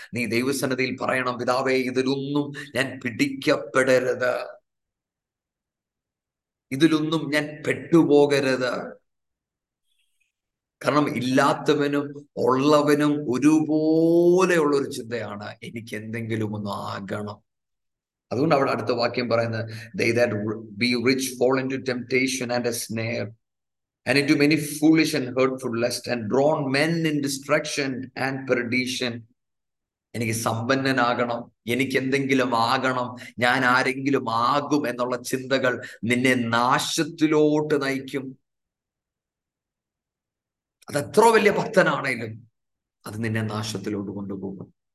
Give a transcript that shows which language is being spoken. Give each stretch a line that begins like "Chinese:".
Malayalam: നീ ദൈവസന്നിധിയിൽ പറയണം, പിതാവേ ഇതിലൊന്നും ഞാൻ പിടിക്കപ്പെടരുത്, ഇതിലൊന്നും ഞാൻ പെട്ടുപോകരുത്. കാരണം ഇല്ലാത്തവനും ഉള്ളവനും ഒരുപോലെയുള്ള ഒരു ചിന്തയാണ്, എനിക്ക് എന്തെങ്കിലും ഒന്ന് ആകണം. അതുകൊണ്ട് അവിടെ അടുത്ത വാക്യം പറയുന്നത്,
English: they that be rich fall into temptation and a snare, and into many foolish and hurtful lusts, and drawn men in destruction and perdition.
Malayalam: എനിക്ക് സമ്പന്നനാകണം, എനിക്ക് എന്തെങ്കിലും ആകണം, ഞാൻ ആരെങ്കിലും ആകും എന്നുള്ള ചിന്തകൾ നിന്നെ നാശത്തിലോട്ട് നയിക്കും. അതെത്ര വലിയ ഭക്തനാണെങ്കിലും അത് നിന്നെ നാശത്തിലോട്ട് കൊണ്ടുപോകും.